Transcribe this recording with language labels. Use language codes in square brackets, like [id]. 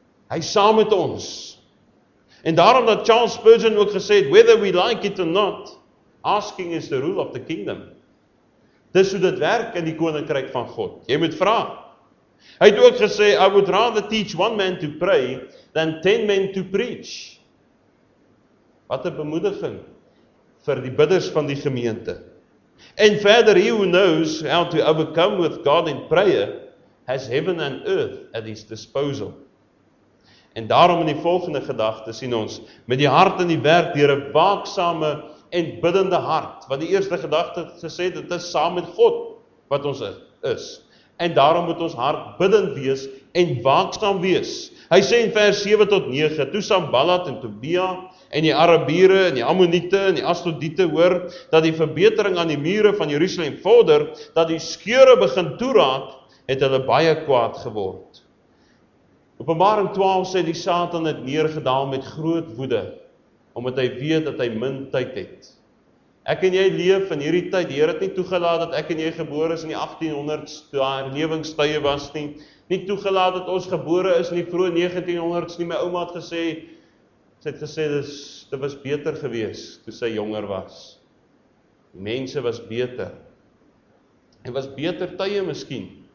[af] Hy is saam met ons. En daarom dat Charles Spurgeon ook gesê het, [en] whether we like it or not, asking is the rule of the kingdom. [af] Dis hoe dit werk in die koninkryk van God. Jy moet vra. Hy het ook gesê, [en] I would rather teach one man to pray than 10 men to preach. [af] Wat 'n bemoediging vir die bidders van die gemeente. En verder, [en] he who knows how to overcome with God in prayer, has heaven and earth at his disposal. [af] En daarom in die volgende gedagte sien ons, met die hart in die werk, deur 'n waaksame en biddende hart, wat die eerste gedagte gesê het, dit is saam met God wat ons is. En daarom moet ons hart biddend wees en waaksaam wees. Hy sê in vers 7 tot 9, toe Sambalat en Tobia en die Arabiere en die Ammoniete en die Astrodiete hoor, dat die verbetering aan die mure van Jerusalem vorder, dat die skeure begin toeraak, het hulle baie kwaad geword. Openbaring 12 sê die Satan het neergedaal met groot woede, omdat hy weet dat hy min tyd het. Ek en jy leef in hierdie tyd, die Heer het nie toegelaat dat ek en jy gebore is in die 1800s, toe haar herlewingstye was nie, nie toegelaat dat ons gebore is in die vroeë 1900s nie, my ouma het gesê, sy het gesê, dit was beter gewees, toe sy jonger was. Die mense was beter. Het was beter tye miskien.